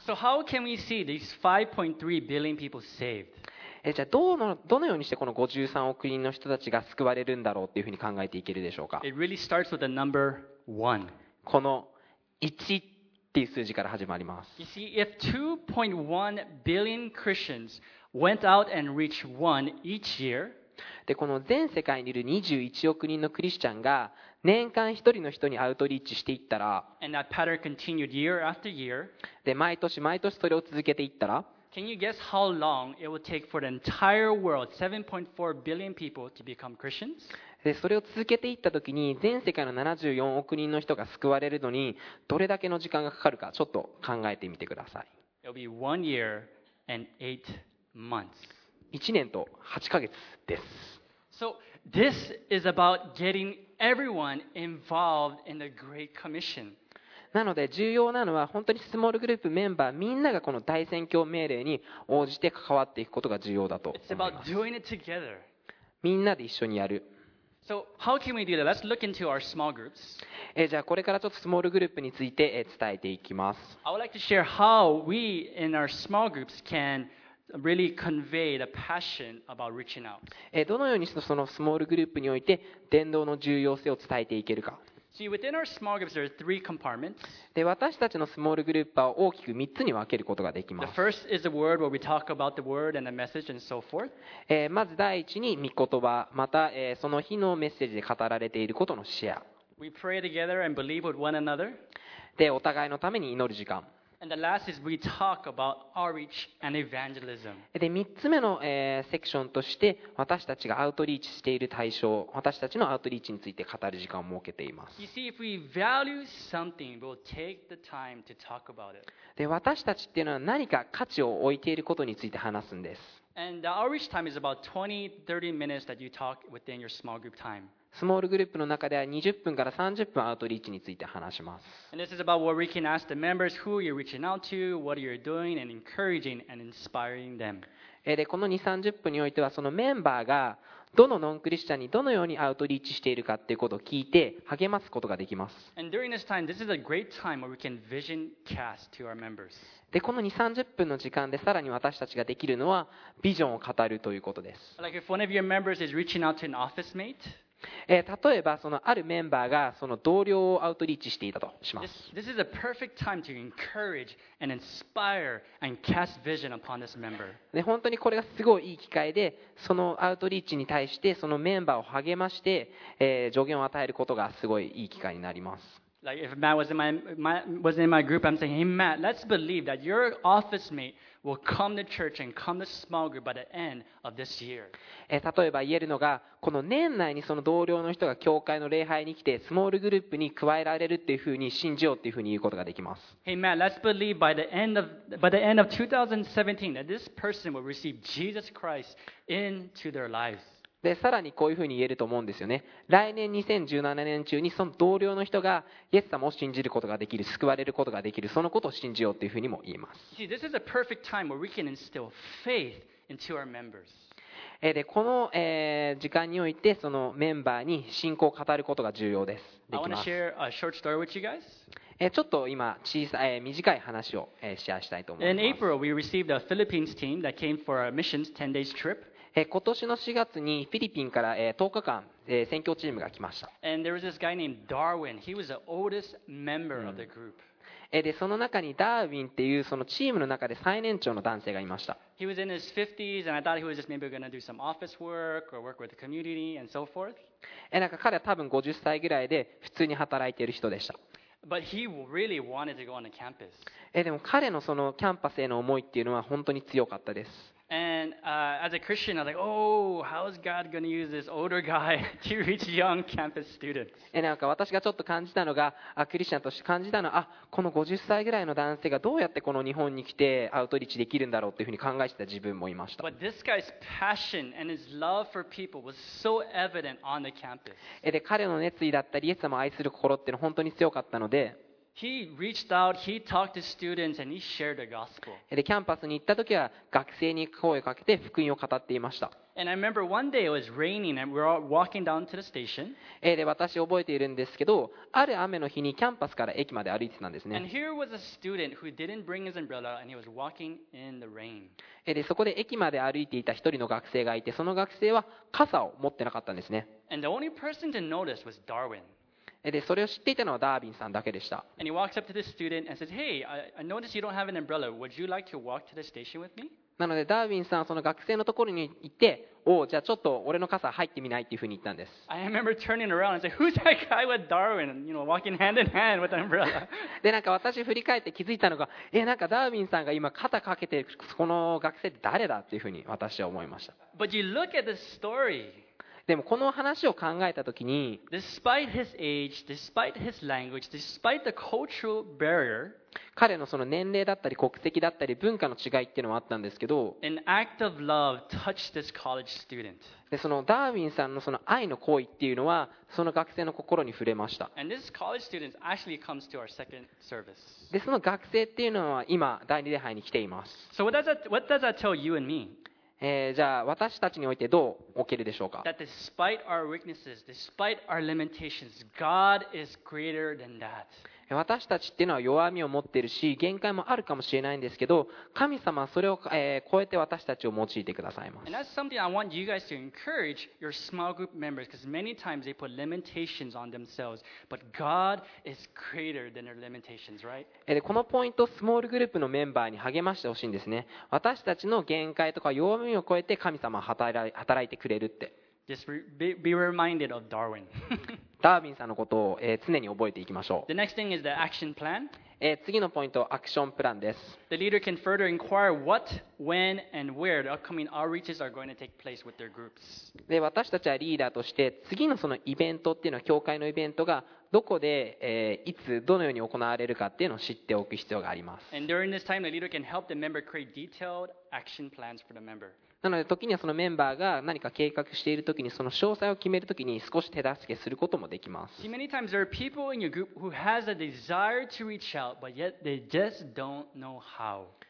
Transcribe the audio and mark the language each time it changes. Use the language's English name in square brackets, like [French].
[English] So how can we see these 5.3 billion people saved? [Japanese] じゃあどのようにしてこの53億人の人たちが救われるんだろうというふうに考えていけるでしょうか。 [English] It really starts with the number one. [Japanese] この1っていう数字から始まります。 [English] You see, if 2.1 billion Christians went out and reached one each year, [Japanese] でこの全世界にいる21億人のクリスチャンが年間1人の人にアウトリーチしていったら、 [English] And that pattern continued year after year. [Japanese] で毎年毎年それを続けていったら、 [English] Can you guess how long it will take for the entire world, 7.4 billion people to become Christians? [Japanese] でそれを続けていったときに、全世界の74億人の人が救われるのにどれだけの時間がかかるか、ちょっと考えてみてください。 [English] It will be 1 year and 8 months. [Japanese] 1年と8ヶ月です。 [English] So, this is about getting everyone involved in the Great Commission. [Japanese] なので重要なのは、本当にスモールグループメンバーみんながこの大宣教命令に応じて関わっていくことが重要だと思います。 [English] It's about doing it together. [Japanese] みんなで一緒にやる。 [English] So, how can we do that? Let's look into our small groups. [Japanese] じゃあこれからちょっとスモールグループについて伝えていきます。 [English] I would like to share how we in our small groups canReally convey the passion about reaching out. [Japanese] どのようにそのスモールグループにおいて伝道の重要性を伝えていけるか。 [English] See, within our small groups, there are three compartments. [Japanese] で私たちのスモールグループは大きく3つに分けることができます。 [English] The first is the word where we talk about the word and the message and so forth. [Japanese] まず第一に御言葉、またその日のメッセージで語られていることのシェア。 [English] We pray together and believe with one another. [Japanese] でお互いのために祈る時間。 [English] And the last is we talk about outreach and evangelism. [Japanese] で3つ目の、セクションとして、私たちがアウトリーチしている対象、私たちのアウトリーチについて語る時間を設けています。 [English] You see, if we value something, we'll take the time to talk about it. [Japanese] で私たちっていうのは何か価値を置いていることについて話すんです。 [English] And the outreach time is about 20-30 minutes that you talk within your small group time. [Japanese] スモールグループの中では20分から30分アウトリーチについて話します。で、この20-30分においては、そのメンバーがどのノンクリスチャンにどのようにアウトリーチしているかということを聞いて励ますことができます。で、この 2,30 分の時間でさらに私たちができるのはビジョンを語るということです。 [English] Like if one of your members is reaching out to an office mate, [Japanese] 例えばそのあるメンバーがその同僚をアウトリーチしていたとします。 [English] This is a perfect time to encourage and inspire and cast vision upon this member. [Japanese] 本当にこれがすごいいい機会で、そのアウトリーチに対してそのメンバーを励まして、助言を与えることがすごいいい機会になります。 [English] Like if Matt was in my group, I'm saying, hey Matt, let's believe that your office mateWill come to church and come to small group by the end of this year. [Japanese] 例えば言えるのが、この年内にその同僚の人が教会の礼拝に来て、スモールグループに加えられるっていうふうに信じようっていうふうに言うことができます。 [English] Hey Matt, let's believe by the end of 2017 that this person will receive Jesus Christ into their lives. [Japanese] でさらにこういうふうに言えると思うんですよね。来年2017年中にその同僚の人がイエス様を信じることができる、救われることができる、そのことを信じようというふうにも言います。 [English] See, this is a perfect time where we can instill faith into our members. [Japanese] でこの、時間においてそのメンバーに信仰を語ることが重要です。できます。 [English] I want to share a short story with you guys. [Japanese] ちょっと今小さい短い話をシェアしたいと思います。 [English] In April, we received a Philippines team that came for our missions 10 days trip. [Japanese] 今年の4月にフィリピンから10日間宣教チームが来ました。 [English] And there was this guy named Darwin. He was the oldest member of the group. [Japanese] でその中にダーウィンっていうそのチームの中で最年長の男性がいました。 [English] He was in his 50s and I thought he was just maybe going to do some office work or work with the community and so forth. [Japanese] なんか彼は多分50歳ぐらいで普通に働いている人でした。 [English] But he really wanted to go on the campus. [Japanese] でも彼のそのキャンパスへの思いっていうのは本当に強かったです。 [English] And as a Christian, I was like, "Oh, how is God going to use this older guy to reach young campus students?" [Japanese] なんか私がちょっと感じたのが、クリスチャンとして感じたのは、この50歳ぐらいの男性がどうやってこの日本に来てアウトリーチできるんだろうっていうふうに考えてた自分もいました。 [English] But this guy's passion and his love for people was so evident on the campus. [Japanese] で彼の熱意だったり、イエス様を愛する心っていうのは本当に強かったので。 [English] He reached out, he talked to students, and he shared the gospel. [Japanese] でキャンパスに行った時は学生に声をかけて福音を語っていました。 [English] And I remember one day it was raining and we were all walking down to the station. [Japanese] で私覚えているんですけど、ある雨の日にキャンパスから駅まで歩いてたんですね。 [English] And here was a student who didn't bring his umbrella and he was walking in the rain. [Japanese] でそこで駅まで歩いていた一人の学生がいて、その学生は傘を持ってなかったんですね。 [English] And the only person to notice was Darwin. [Japanese] でそれを知っていたのはダービンさんだけでした。 [English] And he walks up to this student and says, "Hey, I noticed you don't have an umbrella. Would you like to walk to the station with me?" [Japanese] なのでダービンさんはその学生のところに行って、おお、じゃあちょっと俺の傘入ってみないっていうふうに言ったんです。 [English] I remember turning around and saying, "Who's that guy with Darwin? You know, walking hand in hand with an umbrella." [Japanese] でなんか私振り返って気づいたのが、なんかダービンさんが今肩かけてこの学生って誰だっていうふうに私は思いました。 [English] But you look at this story. [Japanese] でもこの話を考えたときに、 [English] despite his age, despite his language, despite the cultural barrier, [Japanese] 彼のその年齢だったり国籍だったり文化の違いっていうのはあったんですけど、 [English] an act of love touched this college student. [Japanese] でそのダーウィンさんのその愛の行為っていうのはその学生の心に触れました。 [English] And this college student actually comes to our second service. [Japanese] でその学生っていうのは今第二礼拝に来います。 [English] So what does that tell you and me? [Japanese] じゃあ私たちにおいてどう置けるでしょうか。 [English] That despite our weaknesses, despite our limitations, God is greater than that. [Japanese] 私たちっていうのは弱みを持っているし限界もあるかもしれないんですけど、神様はそれを、超えて私たちを用いてくださいます。 [English] And that's something I want you guys to encourage your small group members, because many times they put limitations on themselves, but God is greater than their limitations, right? [Japanese] でこのポイントをスモールグループのメンバーに励ましてほしいんですね。私たちの限界とか弱みを超えて神様は働いてくれるって。 [English] Just be reminded of Darwin. [Japanese] ダーウィンさんのことを常に覚えていきましょう。 [English] The next thing is the action plan. [Japanese] 次のポイント、アクションプランです。 [English] The leader can further inquire what, when, and where the upcoming outreaches are going to take place with their groups. [Japanese] で私たちはリーダーとして次のそのイベントっていうのは教会のイベントがどこで、いつどのように行われるかっていうのを知っておく必要があります。 [English] And during this time, the leader can help the member create detailed action plans for the member. [Japanese] なので時にはそのメンバーが何か計画しているときにその詳細を決めるときに少し手助けすることもできます。 [English] See, many times there are people in your group who has a desire to reach out, but yet they just don't know how.